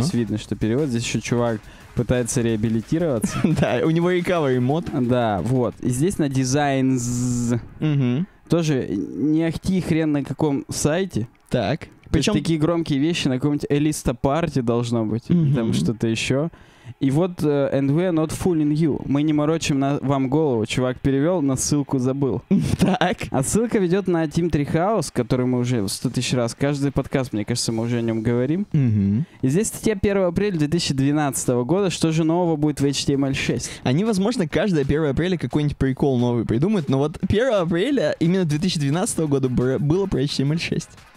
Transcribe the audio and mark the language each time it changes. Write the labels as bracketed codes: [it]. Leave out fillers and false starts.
[ru] Здесь видно, что перевод. Здесь еще чувак пытается реабилитироваться. Да, у него recovery мод. Да, вот. И здесь на Designs. Тоже не ахти хрен на каком сайте. Так. Причем такие громкие вещи на каком-нибудь Elista Party должно быть. Там что-то еще. И вот, [en] and we are not fooling you. [ru] Мы не морочим вам голову. Чувак перевел, но ссылку забыл. Так. А ссылка ведет на Team Treehouse, который мы уже 100 тысяч раз, каждый подкаст, мне кажется, мы уже о нем говорим. И здесь статья 1 апреля 2012 года. Что же нового будет в HTML6? Они, возможно, каждое 1 апреля какой-нибудь прикол новый придумают, но вот 1 апреля именно 2012 года было про HTML6.